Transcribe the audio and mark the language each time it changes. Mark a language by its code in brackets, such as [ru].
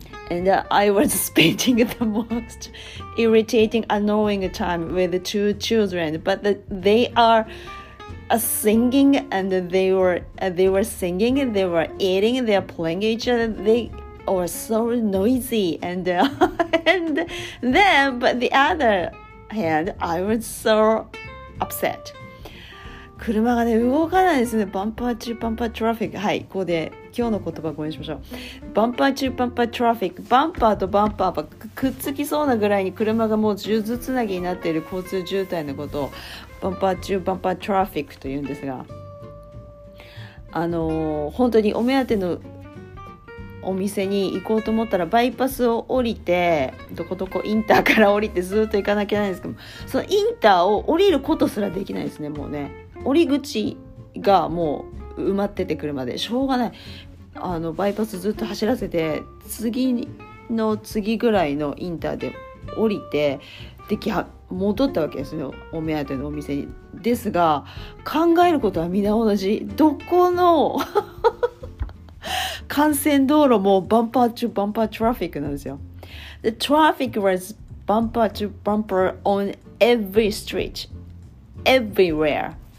[en] and I was spending the most irritating, annoying time with the two children, but they areSinging, and they were singing, and they were eating, and they were playing each other. They were so noisy, but the other hand, I was so upset. [ja] 車がね動かないですね。バンパー中バンパートラフィック、はい、ここで今日の言葉ご用意しましょう。バンパー中バンパートラフィック、バンパーとバンパーがくっつきそうなぐらいに車がもう数珠つなぎになっている交通渋滞のことをバンパー中バンパートラフィックというんですが、本当にお目当てのお店に行こうと思ったらバイパスを降りてどこどこインターから降りてずっと行かなきゃいけないんですけど、そのインターを降りることすらできないですね。もうね、降り口がもう埋まってて車でしょうがない。バイパスずっと走らせて次の次ぐらいのインターで降りて戻ったわけですよ、お目当てのお店に。ですが考えることは皆同じ、どこの幹線道路もバンパー中バンパートラフィックなんですよ。 [en] The traffic was bumper to bumper on every street everywhere。